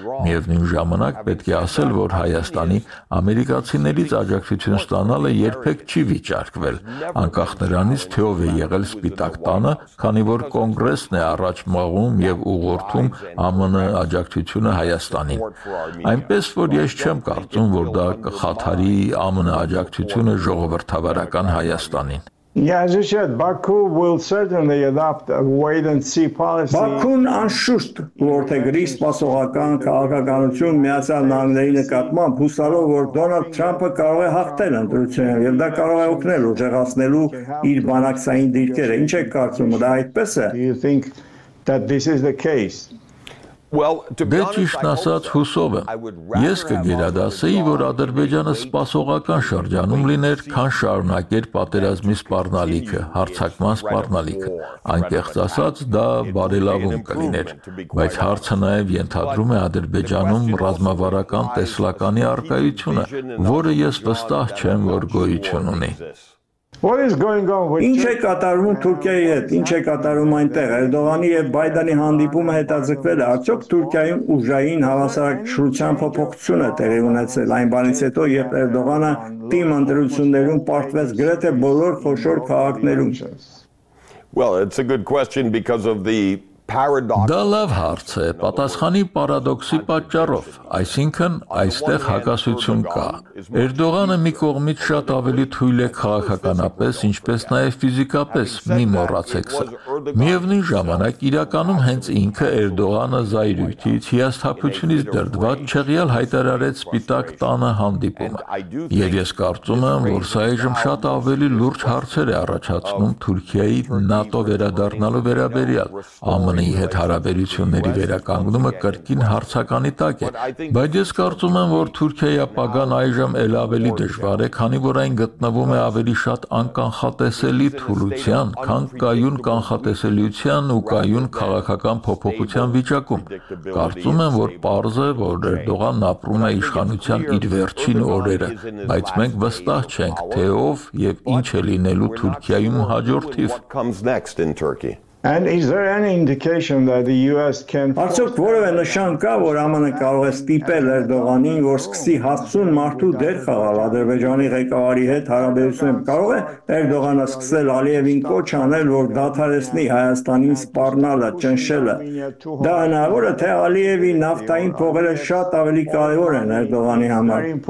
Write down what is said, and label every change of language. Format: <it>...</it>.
<hy>Միևնույն ժամանակ պետք է ասել, որ Հայաստանի ամերիկացիներից աջակցություն ստանալը երբեք չի վիճարկվել, անկախ նրանից, թե ով է եղել Սպիտակ տանը, քանի որ կոնգրեսն է առաջ մղում եւ ուղղորդում ԱՄՆ-ի աջակցությունը Հայաստանին։ Այնպես որ ես չեմ կարծում, որ դա կխաթարի ԱՄՆ-ի աջակցությունը ժողովրդավարական Հայաստանին։</hy> <en>Yazıcet, Baku will certainly adopt a wait and see policy.</en> <hy>Բաքուն անշուշտ որթեգրի սպասողական քաղաքականություն Միացյալ Նահանգների նկատմամբ, հուսալով, որ Դոնալդ Թրամփը կարող է հաղթել ընտրությունը, եւ դա կարող է օգնել ուժեղացնելու իր բանակցային դիրքերը։ Ինչ եք կարծում, դա այդպես է?</hy> <en>Do you think that this is the case? Well, to be honest,</en> <hy>ասած, հուսով եմ, ես կգերադասեի, որ Ադրբեջանը սպասողական շրջանում լիներ, քան շարունակեր պատերազմի սպառնալիքը, հարձակման սպառնալիքը, այնտեղ ասած, դա բարելավում կլիներ, բայց հարցը նաև ենթադրում է Ադրբեջանում ռազմավարական տեսլականի առկայությունը, որը ես վստահ չեմ, որ գոյություն ունի։</hy> <en>What is going on with</en> <hy>Ինչ է կատարվում Թուրքիայի հետ, ինչ է կատարվում այնտեղ Էրդողանի եւ Բայդենի հանդիպումը հետաձգվել է, արդյոք Թուրքիայում ուժային հավասարակշռության փոփոխություն է տեղի ունեցել այն բանից հետո, երբ Էրդողանը թիմ ընտրություններում պարտվեց գրեթե բոլոր խոշոր քաղաքներում։</hy> <en>Well, it's a good question because of the</en> <hy>Դա լավ հարց է, պատասխանի պարադոքսի պատճառով, այսինքն այստեղ հակասություն կա։ Էրդողանը մի կողմից շատ ավելի թույլ է քաղաքականապես, ինչպես նաև ֆիզիկապես, մի մոռացեք սա։ Միևնույն ժամանակ իրականում հենց ինքը Էրդողանը զայրույթից, հիասթափությունից դրդված չեղյալ հայտարարեց Սպիտակ տանը հանդիպումը։ Եվ ես կարծում եմ, որ սա այժմ շատ ավելի լուրջ հարցեր է առաջացնում Թուրքիայի ՆԱՏՕ վերադառնալու վերաբերյալ։ ԱՄՆ-ի հետ հարաբերությունների վերականգնումը կրկին հարցականի տակ է, բայց ես կարծում եմ, որ Թուրքիայի ապագան այժմ էլ ավելի դժվար է, քանի որ այն գտնվում է ավելի շատ անկանխատեսելի թուլության, քան կայուն կանխատեսելիության ու կայուն քաղաքական փոփոխության վիճակում։ Կարծում եմ, որ պարզ է, որ Էրդողանն ապրում է իշխանության իր վերջին օրերը, բայց մենք վստահ չենք, թե ով եւ ինչ է լինելու Թուրքիայում հաջորդիվ։</hy> <en>And is there any indication that the US can</en> <hy>Արդյոք որևէ նշան կա, որ ԱՄՆ-ը կարող է ստիպել Էրդողանին, որ սկսի հասցուն մարդու դեր խաղալ Ադրբեջանի ղեկավարի հետ հարաբերությունում։ Կարող է Էրդողանը սկսել Ալիևին կոչ անել, որ դադարեցնի Հայաստանին սպառնալը, ճնշելը։ Դա հնարավոր է, թե Ալիևի նավթային փողերը շատ ավելի կարևոր են Էրդողանի համար։</hy>